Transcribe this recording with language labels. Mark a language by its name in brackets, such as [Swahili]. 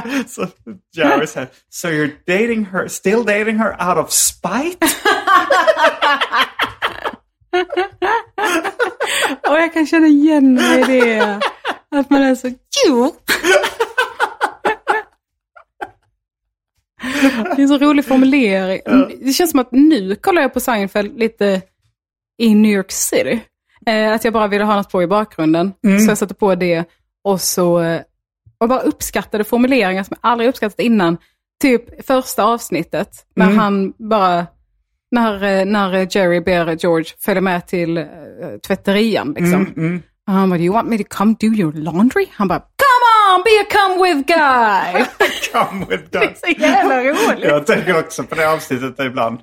[Swedish] Så Jerry säger, [English] so you're dating her, still dating her out of spite? [Swedish] Och jag kan känna igen mig det. Att man är så, jo! Det är så rolig formulering. Det känns som att nu kollar jag på Seinfeld lite i New York City. Att jag bara ville ha något på i bakgrunden. Mm. Så jag satte på det. Och så och bara uppskattade formuleringar som jag aldrig uppskattat innan. Typ första avsnittet. När han bara... När Jerry ber George följa med till tvätterian. Liksom. Mm. Och han bara, [English] do you want me to come do your laundry? [Swedish] Han bara, [English] come on, be a come with guy! Come with guy. [Swedish] Det är så jävla roligt. Jag tänker också på det avsnittet ibland.